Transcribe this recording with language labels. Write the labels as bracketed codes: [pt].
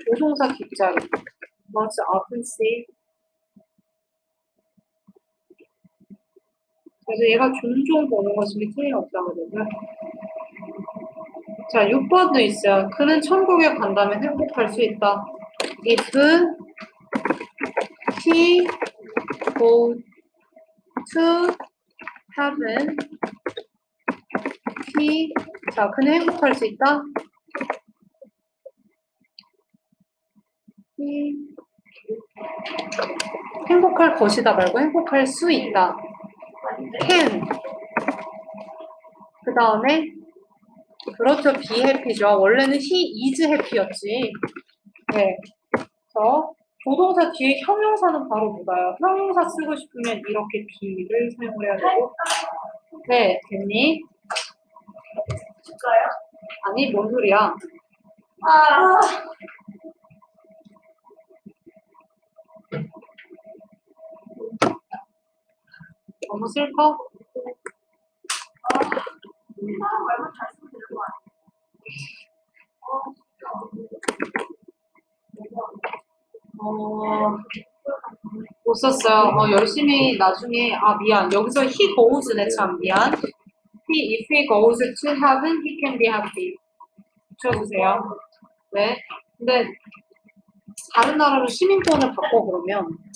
[ko] 조종사 뒷자리. [en] Must often see. [ko] 그래서 얘가 종종 보는 것임이 틀림없다거든요. 자, 6번도 있어요. 그는 천국에 간다면 행복할 수 있다. [en] If he goes to heaven, he [ko] 자, 그는 행복할 수 있다. He 행복할 것이다 말고 행복할 수 있다. [en] Can. [ko] 그 다음에 그렇죠. Be happy죠. 원래는 [en] he is happy [ko] 였지. 네. 그래서 조동사 뒤에 형용사는 바로 뭐가요? 형용사 쓰고 싶으면 이렇게 be를 사용을 해야 되고. 네, 됐니? 아니, 뭔 소리야? 너무 슬퍼? 못 썼어요. 열심히 나중에, 아, 미안. 여기서 [en] he goes [ko] 네, 참, 미안. [en] If he goes to heaven, he can be happy. [ko] 붙여주세요. 네. 근데, 다른 나라로 시민권을 바꿔, 그러면.